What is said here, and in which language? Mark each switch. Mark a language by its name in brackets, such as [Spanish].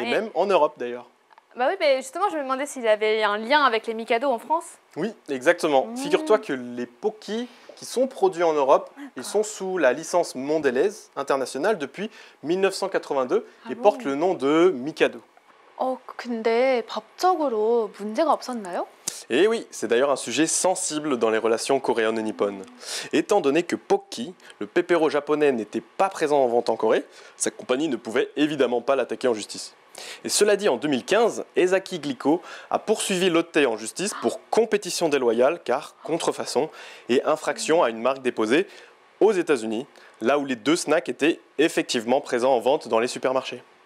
[French] Et même en Europe d'ailleurs. Bah oui, mais justement, je me demandais s'il y avait un lien avec les Mikado en France. Oui, exactement. Mmh. Figure-toi que les pokki qui sont produits en Europe, d'accord, ils sont sous la licence Mondelez internationale depuis 1982 portent le nom de Mikado. [Korean] 근데 법적으로 문제가 없었나요? [French] Et oui, c'est d'ailleurs un sujet sensible dans les relations coréennes et nippones. Étant donné que pokki, le pepero japonais, n'était pas présent en vente en Corée, sa compagnie ne pouvait évidemment pas l'attaquer en justice. Et cela dit, en 2015, Ezaki Glico a poursuivi Lotte en justice pour compétition déloyale, car contrefaçon et infraction à une marque déposée aux États-Unis, là où les deux snacks étaient effectivement présents en vente dans les supermarchés.